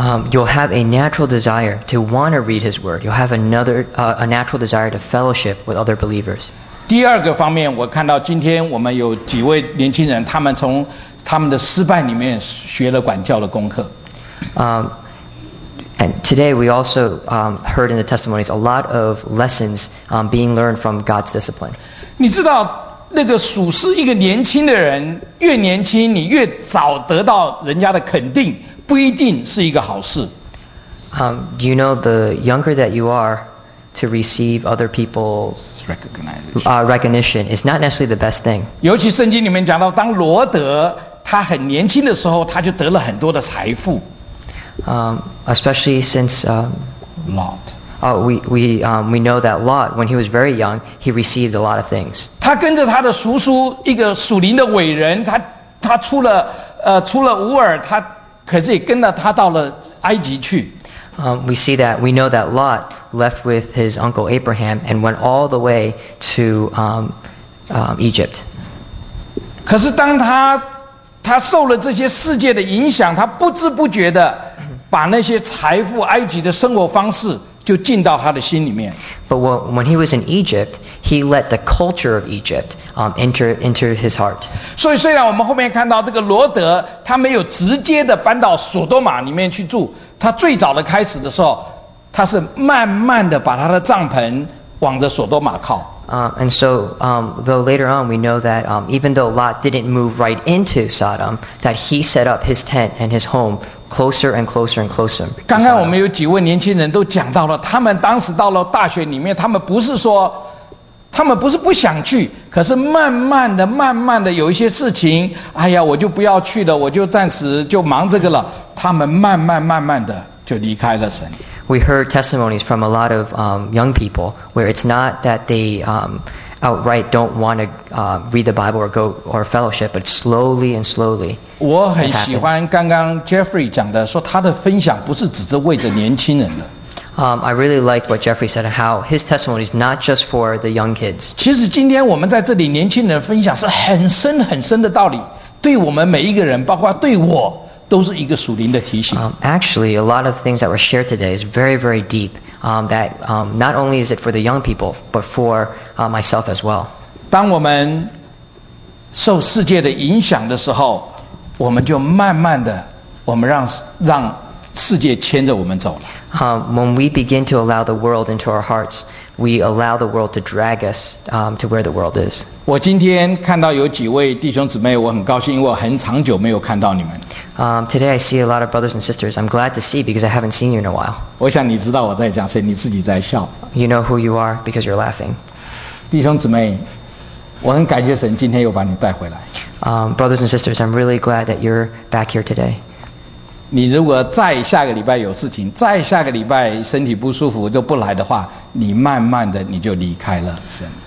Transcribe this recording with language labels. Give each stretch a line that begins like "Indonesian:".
English: You'll have a natural desire to want to read His Word. You'll have a natural desire to fellowship with other believers.
Chinese: 第二个方面，我看到今天我们有几位年轻人，他们从他们的失败里面学了管教的功课。
English: And today we also heard in the testimonies a lot of lessons being learned from God's discipline.
Chinese: 你知道那个属实一个年轻的人，越年轻你越早得到人家的肯定，不一定是一个好事。
English: You know, the younger that you are to receive other people's recognition is not necessarily the best thing.
Chinese: 尤其圣经里面讲到，当罗德他很年轻的时候，他就得了很多的财富。
English: Especially since Lot. We know that Lot, when he was very young, he received a lot of things.
Chinese: 他跟着他的叔叔，一个属灵的伟人，他出了乌尔，他可是也跟着他到了埃及去。
English: We see that we know that Lot left with his uncle Abraham and went all the way to Egypt.
Chinese: 可是当他受了这些世界的影响，他不知不觉的把那些财富、埃及的生活方式就进到他的心里面。
English: But when he was in Egypt, he let the culture of Egypt enter his heart.
Chinese: 所以虽然我们后面看到这个罗德，他没有直接的搬到索多玛里面去住。他最早的开始的时候，他是慢慢的把他的帐篷往着索多玛靠。
English: Though later on we know that even though Lot didn't move right into Sodom, that he set up his tent and his home closer and closer and closer.
Chinese: 刚刚我们有几位年轻人都讲到了，他们当时到了大学里面，他们不是不想去，可是慢慢的有一些事情，哎呀，我就不要去了，我就暂时就忙这个了。他们慢慢的就离开了神。
English: We heard testimonies from a lot of young people where it's not that they outright don't want to read the Bible or fellowship, but slowly and slowly.
Chinese: 我很喜欢刚刚 Jeffrey 讲的，说他的分享不是只是为着年轻人的。
English: I really like what Jeffrey said, how his testimony is not just for the young kids.
Chinese: 其实今天我们在这里年轻人分享是很深很深的道理，对我们每一个人，包括对我，都是一个属灵的提醒。
English: Actually, a lot of things that were shared today is very, very deep. Not only is it for the young people, but for myself as well.
Chinese: 当我们受世界的影响的时候，我们就慢慢的，我们让世界牵着我们走了。
English: When we begin to allow the world into our hearts, we allow the world to drag us to where the world is.
Chinese: 我今天看到有几位弟兄姊妹，我很高兴，因为我很长久没有看到你们。
English: Today I see a lot of brothers and sisters. I'm glad to see because I haven't seen you in a while.
Chinese: 我想你知道我在讲谁，你自己在笑。
English: You know who you are because you're laughing.
Chinese: 弟兄姊妹，我很感谢神今天又把你带回来。
English: Brothers and sisters, I'm really glad that you're back here today.
Chinese: 你如果再下个礼拜有事情，再下个礼拜身体不舒服就不来的话，你慢慢的你就离开了神。